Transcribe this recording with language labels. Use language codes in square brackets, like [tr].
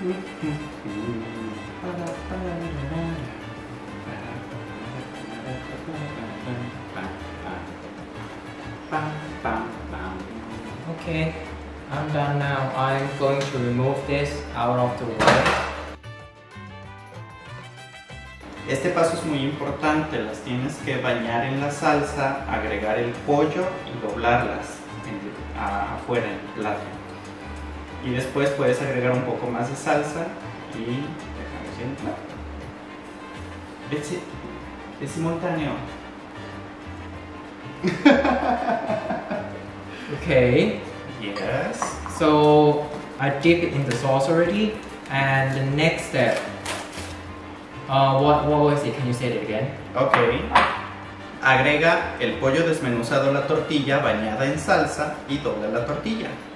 [en] Okay, I'm done now. I'm going to remove this out of the way. [es] Este paso es muy importante. Las tienes que bañar en la salsa, agregar el pollo y doblarlas afuera en el plato. Y después puedes agregar un poco más de salsa y dejar en el plato. Es simultáneo. [en] Okay. Yes. So I dip it in the sauce already, and the next step. What was it? Can you say it again? Okay. [es] Agrega el pollo desmenuzado a la tortilla bañada en salsa y dobla la tortilla.